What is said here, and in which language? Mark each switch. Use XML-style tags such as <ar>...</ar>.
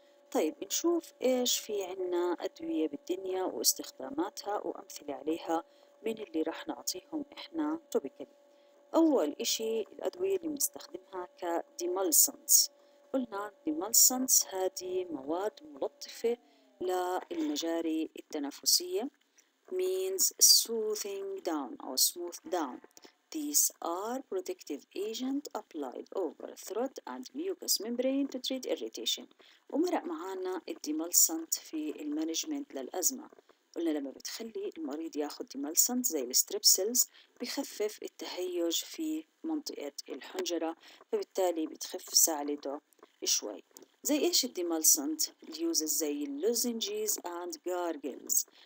<ar>طيب نشوف ايش في عنا ادوية بالدنيا واستخداماتها وامثلة عليها من اللي راح نعطيهم احنا توبيكالي. اول اشي الادوية اللي بنستخدمها كديمالسنس، قلنا ديمالسنس هذه مواد ملطفة للمجاري التنفسية،</ar> <en>means soothing down or smooth down. These are protective agent applied over throat and mucous membrane to treat irritation.</en> <ar>ومرق معانا الديمالسنت في المانجمنت للأزمة، قلنا لما بتخلي المريض ياخد ديمالسنت زي الستريبسلز بيخفف التهيج في منطقة الحنجرة، فبالتالي بتخف سعلته شوي. زي ايش الديمالسنت؟ يوزز زي اللوزنجيز</ar> <en>and gargles.</en>